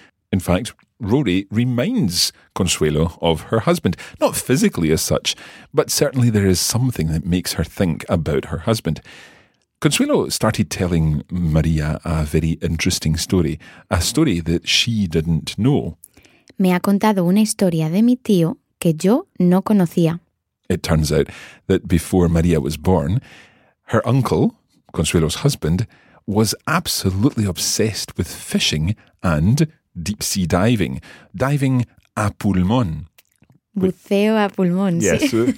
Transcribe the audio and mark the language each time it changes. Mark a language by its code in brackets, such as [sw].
[en] In fact, Rory reminds Consuelo of her husband, not physically as such, but certainly there is something that makes her think about her husband. Consuelo started telling Maria a very interesting story, a story that she didn't know. [es] Me ha contado una historia de mi tío que yo no conocía. [en] It turns out that before Maria was born, her uncle, Consuelo's husband, was absolutely obsessed with fishing and deep sea diving, diving [es] a pulmón. Buceo a pulmón, [en] yes, [es] sí.